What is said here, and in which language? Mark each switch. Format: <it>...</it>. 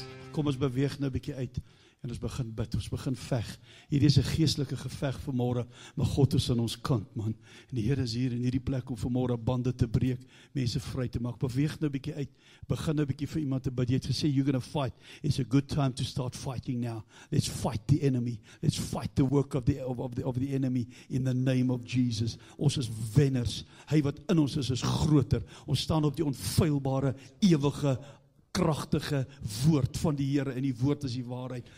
<af>Kom ons beweeg nou 'n bietjie uit. En ons begin bid, ons begin veg. Hier is 'n geestelike geveg vanmôre, maar God is aan ons kant, man. En die Here is hier in hierdie plek om vanmôre bande te breek, mense vry te maak. Beweeg nou 'n bietjie uit. Begin nou 'n bietjie vir iemand te bid. Jy het gesê</af> <en>you're going to fight. It's a good time to start fighting now. Let's fight the enemy. Let's fight the work of the enemy in the name of Jesus.</en> <af>Ons is wenners. Hy wat in ons is, is groter. Ons staan op die onfeilbare, ewige kragtige woord van die Here en die woord is die waarheid.</af>